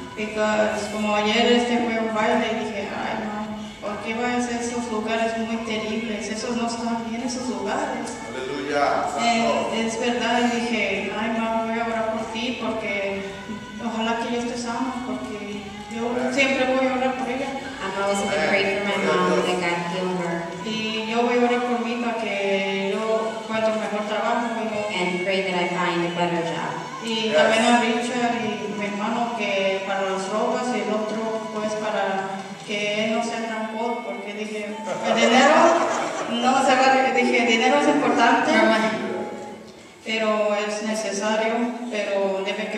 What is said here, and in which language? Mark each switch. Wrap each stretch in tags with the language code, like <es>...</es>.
<en>Because</en> <es>como ayer fue un baile y dije, ay no, ¿por qué vas a esos lugares muy terribles? Esos no están bien, esos lugares. Aleluya. Es verdad, y dije, ay mamá, voy a orar por ti porque ojalá que yo esté sano, porque yo siempre voy a orar por ella.</es> <en>I'm always going to pray for my mom that God heal her.</en> <es>Y yo voy a orar por mí para que yo encuentre mejor trabajo.</es> <en>And pray that I find a better job.</en> <es>Y también a Richard y mi hermano que para las ropas, y el otro pues para que él no sea tan pobre, porque dije, el dinero no se va, dije, el dinero es importante. Pero es necesario, pero debe que</es>